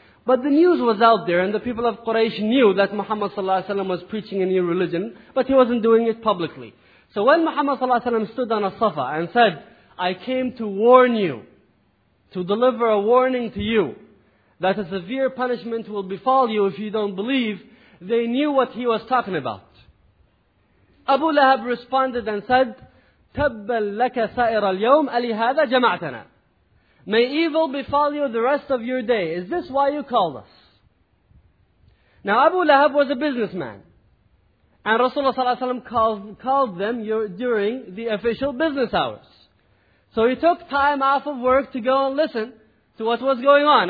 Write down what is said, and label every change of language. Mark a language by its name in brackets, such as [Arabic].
[English] But the news was out there and the people of Quraysh knew that Muhammad sallallahu alayhi wa sallam was preaching a new religion, but he wasn't doing it publicly. So when Muhammad sallallahu alayhi wa sallam stood on a safa and said, I came to warn you, to deliver a warning to you, that a severe punishment will befall you if you don't believe, they knew what he was talking about. [Arabic] Abu Lahab responded and said, تَبَّلْ لَكَ سَائِرَ الْيَوْمِ أَلِهَذَا جَمَعْتَنَا. [English] May evil befall you the rest of your day. Is this why you called us? Now Abu Lahab was a businessman. And Rasulullah sallallahu alayhi wa sallam called them during the official business hours. So he took time off of work to go and listen to what was going on.